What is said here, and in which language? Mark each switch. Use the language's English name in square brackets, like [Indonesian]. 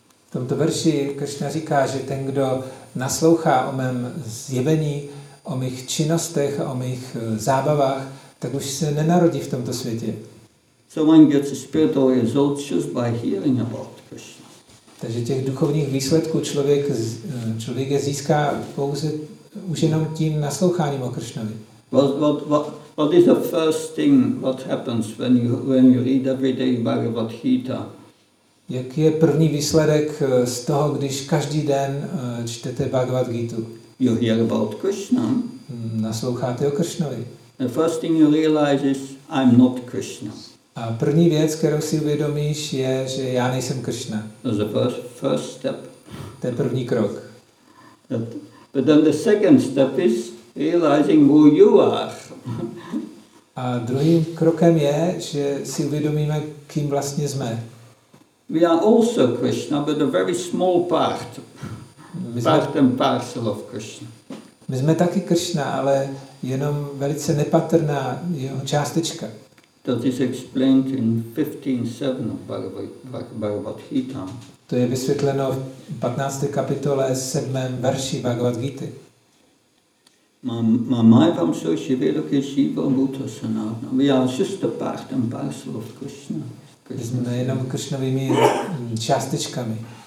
[Czech] V tomto verši Krishna říká, že ten, kdo naslouchá o mém zjevení, o mých činnostech, o mých zábavách, tak už se nenarodí v tomto světě. [English] So one gets a spiritual result just by hearing about Krishna. [Czech] Takže těch duchovních výsledků člověk je získá pouze už jenom tím nasloucháním o Krishnovi. [English] What is the first thing what happens when you read every day Bhagavad Gita? [Czech] Jak je první výsledek z toho, když každý den čtete Bhagavad Gitu? [English] You hear about Krishna. [Czech] Nasloucháte o Krishnovi. [English] The first thing you realize is I'm not Krishna. [Czech] A první věc, kterou si uvědomíš, je, že já nejsem Krishna. [English] That's the first step. [Czech] To je první krok. [English] But then the second step is realizing who you are. [Czech] A druhým krokem je, že si uvědomíme, kým vlastně jsme. [English] We are also Krishna, but a very small part. Part and parcel of Krishna. [Czech] My jsme taky Krishna, ale jenom velice nepatrná jeho částečka. [English] That is explained in 15.7 of Bhagavad Gita. [Czech] To je vysvětleno v 15. kapitole 7. verši Bhagavad Gita. [Sanskrit] Mamayvam so shivedoke shiva bhuta sanatna. [English] We are just a part and parcel of Krishna. [Czech] My jsme jenom Krishnovými částečkami.